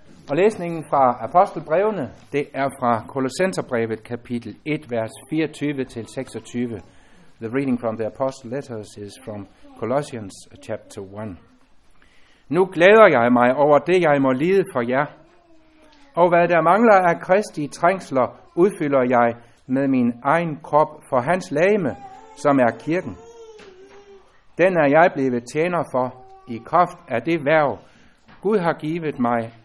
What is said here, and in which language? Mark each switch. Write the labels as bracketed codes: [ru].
[da] Og læsningen fra apostelbrevene, det er fra Kolossenserbrevet kapitel 1 vers 24 til 26. [en] The reading from the apostle letters is from Colossians chapter 1. [da] Nu glæder jeg mig over det jeg må lide for jer. Og hvad der mangler af Kristi trængsler, udfylder jeg med min egen krop for hans legeme, som er kirken. Den er jeg blevet tjener for i kraft af det værv Gud har givet mig.